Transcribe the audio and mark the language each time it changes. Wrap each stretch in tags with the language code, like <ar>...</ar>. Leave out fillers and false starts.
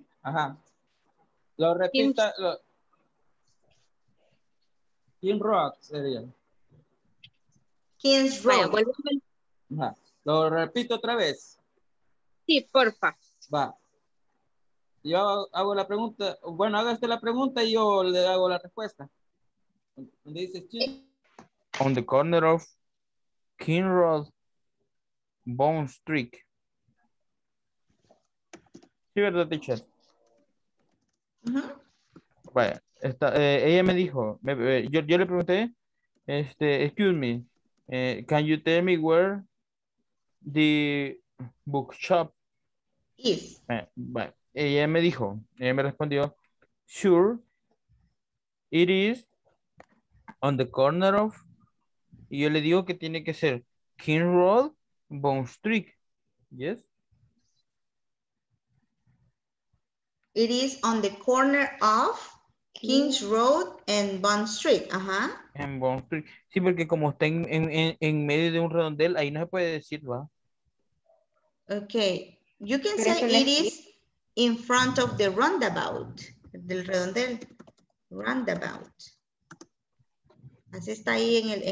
<es>Ajá. Lo repita. In, lo, in road sería. King's road. Vaya, vuelve. Ajá. Lo repito otra vez. Sí, porfa. Va. Yo hago la pregunta. Bueno, hágase la pregunta y yo le hago la respuesta. ¿Dónde dices?</es> <en>On the corner of King Road, Bond Street.</en> <es>Sí, ¿verdad, teacher? Uh-huh. Bueno, esta, ella me dijo, yo le pregunté,</es> <en>excuse me, can you tell me where the bookshop is.</en> <es>Ella me dijo, ella me respondió,</es> <en>sure, it is on the corner of,</en> <es>y yo le digo que tiene que ser King Road, Bond Street.</es> <en>Yes? It is on the corner of King's Road and Bond Street.</en> <es>Ajá.</es> <en>And Bond Street.</en> <es>Sí, porque como está en medio de un redondel, ahí no se puede decir, ¿va?</es> <en>Okay, you can say it is in front of the roundabout,</en> <es>del redondel,</es> <en>roundabout.</en> <es>Así está ahí en el chat.</es>